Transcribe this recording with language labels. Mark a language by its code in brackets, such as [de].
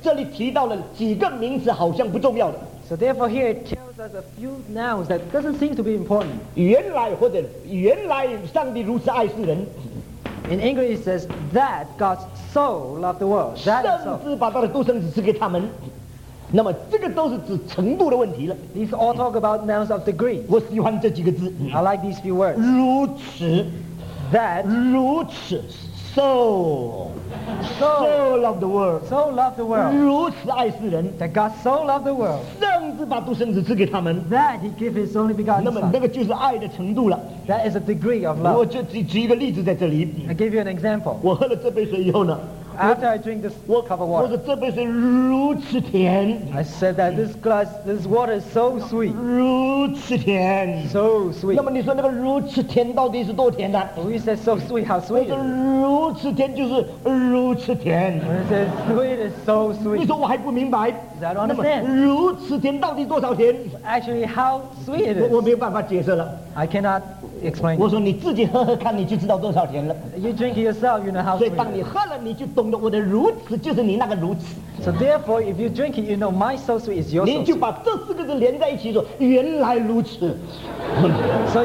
[zh] 原来上帝如此爱世人，甚至把他的独生子赐给他们。那么在这里我们看见呢，这里提到了几个名词，好像不重要的。 [en] So therefore here it tells us a few nouns that doesn't seem to be important. [zh] 原来或者原来上帝如此爱世人。 [en] In English it says that God so loved the world. That is so. [zh] 甚至把他的独生子赐给他们。 [en] These all talk about nouns of degree. I like these few words. [zh] 如此, [en] that [zh] 如此, [en] so loved the world. So loved the world. [zh] 如此爱世人, [en] that God so loved the world. [zh] 甚至把独生子赐给他们, [en] that He gave His only begotten Son. That is a degree of love. [zh] 我就举一个例子在这里, [en] I give you an example. [zh] 我喝了这杯水以后呢, [en] after I drink this cup of water, [zh] 我说这杯水如此甜, [en] I said that this water is so sweet. [zh] 如此甜, [en] so sweet. [zh] 那么你说那个如此甜到底是多甜的? [en] We said so sweet, how sweet? [zh] 我说如此甜就是如此甜。 [en] I said sweet is so sweet. [zh] 你说我还不明白? [en] I don't understand. [zh] 如此甜到底多少甜? [en] Actually, how sweet it is. [zh] 我没有办法解释了。 [en] I cannot. [zh] 我说你自己喝喝看，你就知道多少甜了。 [en] You drink yourself, you know how. [zh] 所以当你喝了，你就懂得我的如此就是你那个如此。 [en] So therefore, if you drink it, you know my so sweet is your so sweet. [zh] 你就把这四个字连在一起说，原来如此。 [en] So